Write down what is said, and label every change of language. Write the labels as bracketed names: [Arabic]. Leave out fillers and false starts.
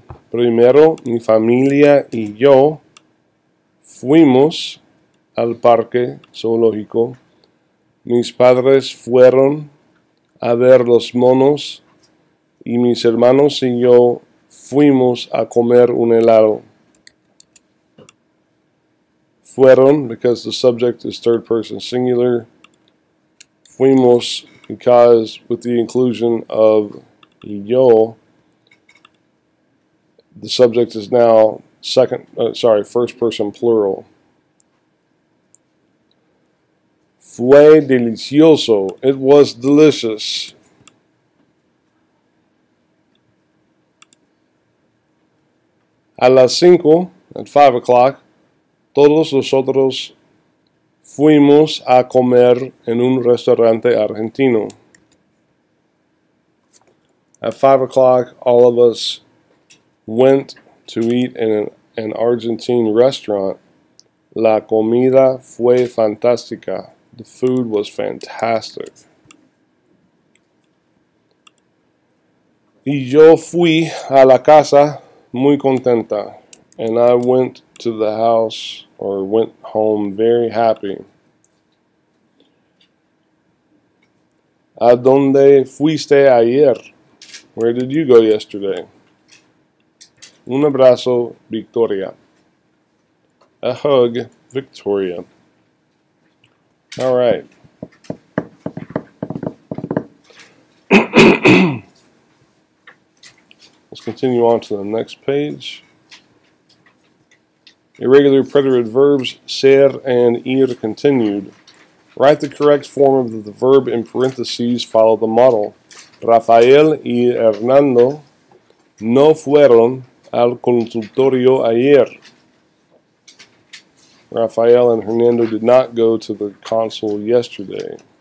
[Spanish] Primero, mi familia y yo fuimos al parque zoológico. Mis padres fueron a ver los monos y mis hermanos y yo fuimos a comer un helado. [English] Fueron, because the subject is third person singular. Fuimos, because with the inclusion of yo, the subject is now first person plural. [Spanish] Fue delicioso. [English] It was delicious. [Spanish] A las cinco, [English] at 5 o'clock, [Spanish] todos nosotros fuimos a comer en un restaurante argentino. [English] At 5 o'clock, all of us went to eat in an Argentine restaurant. [Spanish] La comida fue fantástica. [English] The food was fantastic. [Spanish] Y yo fui a la casa muy contenta. [English] And I went to the house, or went home, very happy. [Spanish] ¿A dónde fuiste ayer? [English] Where did you go yesterday? [Spanish] Un abrazo, Victoria. [English] A hug, Victoria. All right. Let's continue on to the next page. Irregular preterite verbs ser and ir continued. Write the correct form of the verb in parentheses, follow the model. [Spanish] Rafael y Hernando no fueron al consultorio ayer. [English] Rafael and Hernando did not go to the consul yesterday.